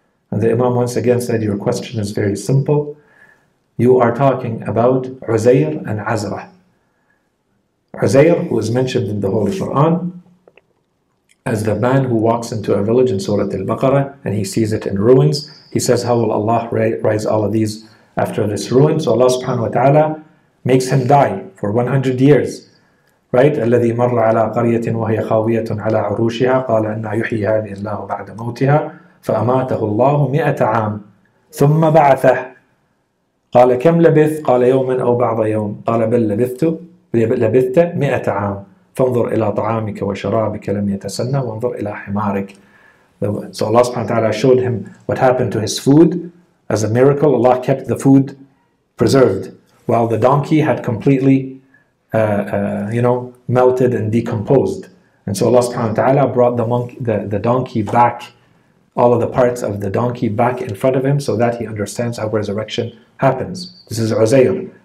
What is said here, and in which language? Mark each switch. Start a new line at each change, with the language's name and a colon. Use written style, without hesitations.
English: And the Imam once again said, your question is very simple. You are talking about Uzair and Azra. Uzair, who is mentioned in the Holy Quran as the man who walks into a village in Surah Al-Baqarah and he sees it in ruins, he says, how will Allah raise all of these after this ruin? So Allah subhanahu wa ta'ala makes him die for 100 years. Right?
Arabic: الَّذِي مَرَّ عَلَىٰ قَرْيَةٍ وَهِيَ خَاوِيَةٌ عَلَىٰ عُرُوشِهَا قَالَ أَنَّا يُحْيِي هَذِهِ اللَّهُ بَعْدَ مَوْتِهَا فَأَمَاتَهُ اللَّهُ 100 عَامٍ ثُمَّ بَعَثَهُ قال كم لبث قال يوما أو بعض يوم قال بل لبثت 100 عام فانظر إلى طعامك وشرابك لم يتسنى وانظر إلى حمارك.
English: So Allah subhanahu wa ta'ala showed him what happened to his food as a miracle. Allah kept the food preserved while the donkey had completely melted and decomposed. And so Allah subhanahu wa ta'ala brought the donkey back, all of the parts of the donkey back in front of him so that he understands how resurrection happens. This is Uzair.